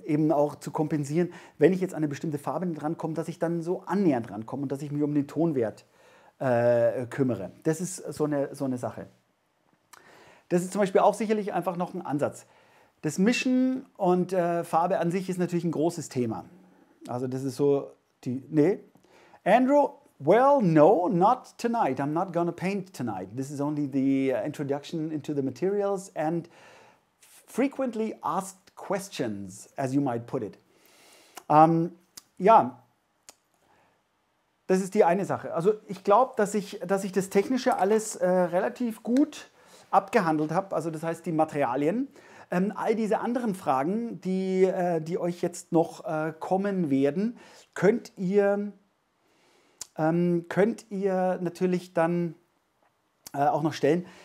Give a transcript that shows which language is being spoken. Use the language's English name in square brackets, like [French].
[German] Eben auch zu kompensieren, wenn ich jetzt an eine bestimmte Farbe drankomme, dass ich dann so annähernd drankomme und dass ich mich um den Tonwert kümmere. Das ist so eine Sache. Das ist zum Beispiel auch sicherlich einfach noch ein Ansatz. Das Mischen und Farbe an sich ist natürlich ein großes Thema. Also das ist so die... Nee. [English] Andrew, well, no, not tonight. I'm not gonna paint tonight. This is only the introduction into the materials and frequently asked questions, as you might put it. [German] Ja, das ist die eine Sache. Also ich glaube, dass ich das Technische alles relativ gut abgehandelt habe. Also das heißt, die Materialien. All diese anderen Fragen, die euch jetzt noch kommen werden, könnt ihr natürlich dann auch noch stellen.